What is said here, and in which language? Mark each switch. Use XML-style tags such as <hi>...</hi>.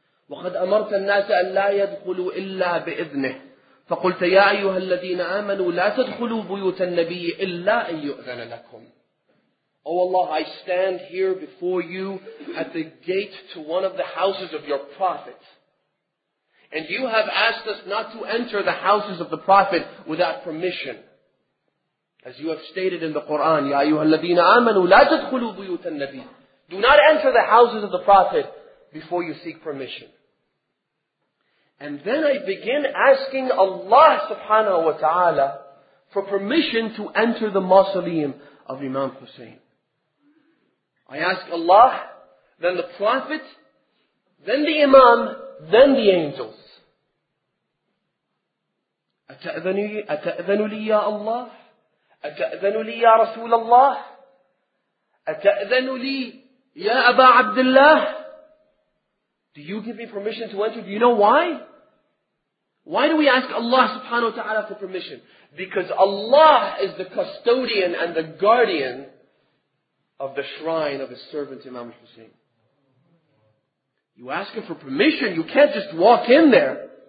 <ar>وَقَدْ أَمَرْتَ النَّاسَ أَنْ لَا يَدْخُلُوا إِلَّا بِإِذْنِهِ فَقُلْتَ يَا أَيُّهَا الَّذِينَ آمَنُوا لَا تَدْخُلُوا بُيُوتَ النَّبِيِّ إِلَّا أَنْ يُؤْذَنَ لَكُمْ.</ar> <en>O Allah, I stand here before you at the gate to one of the houses of your Prophet. And you have asked us not to enter the houses of the Prophet without permission. As you have stated in the Quran, يَا أَيُّهَا الَّذِينَ آمَنُوا لَا تَدْخُلُوا بُيُوتَ النَّبِيِّ. Do not enter the houses of the Prophet before you seek permission. And then I begin asking Allah subhanahu wa ta'ala for permission to enter the mausoleum of Imam Hussein. I ask Allah, then the Prophet, then the Imam, then the angels.</en> <ar>أَتَأْذَنُ لِي يَا اللَّهِ أَتَأْذَنُ لِي يَا رَسُولَ اللَّهِ أَتَأْذَنُ لِي يَا أَبَا عَبْدِ اللَّهِ.</ar> <en>Do you give me permission to enter? Do you know why? Why do we ask Allah subhanahu wa ta'ala for permission? Because Allah is the custodian and the guardian of the shrine of His servant Imam Hussein. You ask Him for permission, you can't just walk in there.</en>